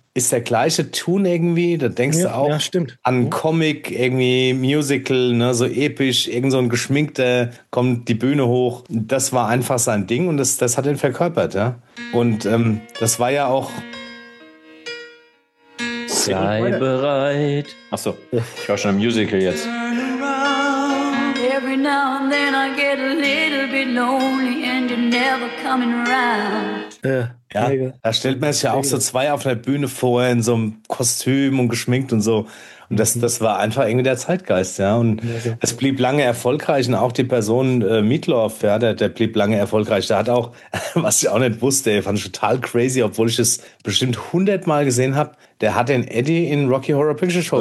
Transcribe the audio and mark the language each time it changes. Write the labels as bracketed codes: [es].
[de] Ist der gleiche Tune irgendwie, da denkst du auch an Comic, irgendwie Musical, ne, so episch, irgend so ein Geschminkter, kommt die Bühne hoch. Das war einfach sein Ding und das hat ihn verkörpert. Ja. Und das war ja auch... Sei bereit. Ach so, ich war schon im Musical jetzt. [en] Every now and then I get a little bit lonely and you're never coming around. [de] Ja, da stellt man sich ja auch so zwei auf der Bühne vor, in so einem Kostüm und geschminkt und so. Und das war einfach irgendwie der Zeitgeist, ja. Und es blieb lange erfolgreich. Und auch die Person Meatloaf, ja, der blieb lange erfolgreich. Der hat auch, was ich auch nicht wusste, fand ich total crazy, obwohl ich es bestimmt 100 Mal gesehen habe, der hat den Eddie in Rocky Horror Picture Show